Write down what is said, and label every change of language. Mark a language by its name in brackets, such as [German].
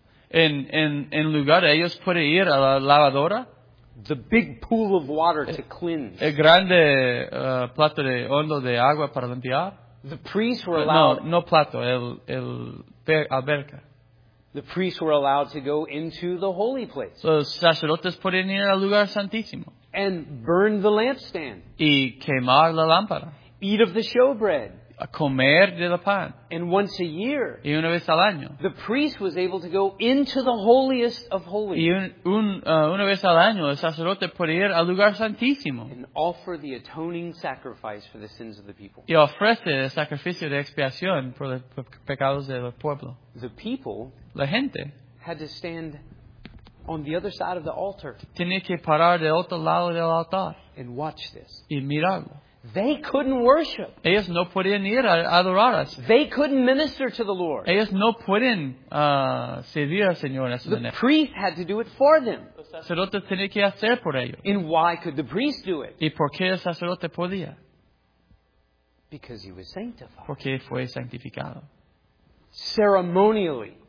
[Spanish] En lugar de ellos puede ir a la lavadora. [English] The big pool of water to cleanse. [Spanish] El grande plato de hondo de agua para limpiar. [English] The priests were allowed. [Spanish] No, no plato, el alberca. [English] The priests were allowed to go into the holy place. [Spanish] Los sacerdotes podían ir al lugar santísimo. [English] and burn the lampstand. [Spanish] Y quemar la lámpara. [English] Eat of the showbread. [Spanish] A comer de la pan. [English] And once a year, [Spanish] y una vez al año, [English] the priest was able to go into the holiest of holies. [Spanish] Y una vez al año, el sacerdote puede ir al lugar santísimo. [English] And offer the atoning sacrifice for the sins of the people. [Spanish] Y ofrece el sacrificio de expiación por los pecados del pueblo. [English] The people, [Spanish] la gente, [English] had to stand on the other side of the altar. [Spanish] Tenía que parar del otro lado del altar. [English] And watch this. [Spanish] Y mirarlo. [English] They couldn't worship. [Spanish] Ellos no podían ir a adorar a Dios. [English] They couldn't minister to the Lord. [Spanish] Ellos no pueden servir al Señor. [English] The priest had to do it for them. [Spanish] El sacerdote tenía que hacer por ellos. [English] And why could the priest do it? [Spanish] ¿Y por qué el sacerdote podía? [English] Because he was sanctified. [Spanish] Porque fue santificado. [English] Ceremonially.